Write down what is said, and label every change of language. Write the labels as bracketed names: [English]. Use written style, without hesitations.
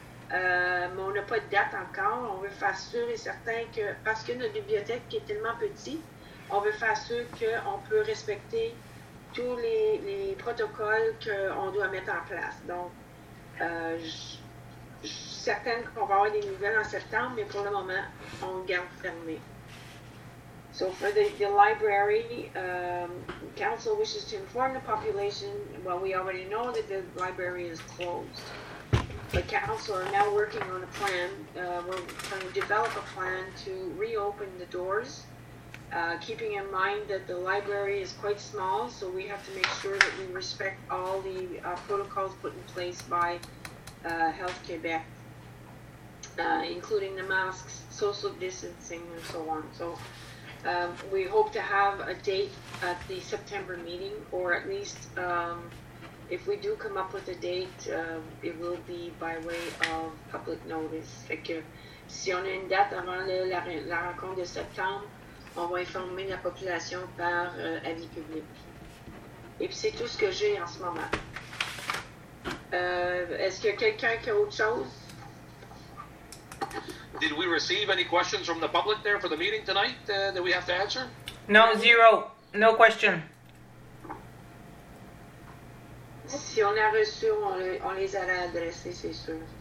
[French] Mais on n'a pas de date encore. On veut faire sûr et certain que, parce que notre bibliothèque est tellement petite, on veut faire sûr qu'on peut respecter tous les protocoles qu'on doit mettre en place. Donc, je suis certaine qu'on va avoir des nouvelles en septembre, mais pour le moment, on garde fermé. [English] So, for the library, council wishes to inform the population, well, we already know that the library is closed. The council are now working on a plan. We're trying to develop a plan to reopen the doors, keeping in mind that the library is quite small, so we have to make sure that we respect all the protocols put in place by Health Quebec, including the masks, social distancing, and so on. So we hope to have a date at the September meeting, or at least if we do come up with a date, it will be by way of public notice. [French] Fait que si on a une date avant la rencontre de septembre, on va informer la population par avis public. Et puis c'est tout ce que j'ai en ce moment. Est-ce qu'il y a quelqu'un qui a autre chose? [English] Did we receive any questions from the public there for the meeting tonight that we have to answer? No, zero. No question. [French] Si on a reçu, on les a adressés, c'est sûr.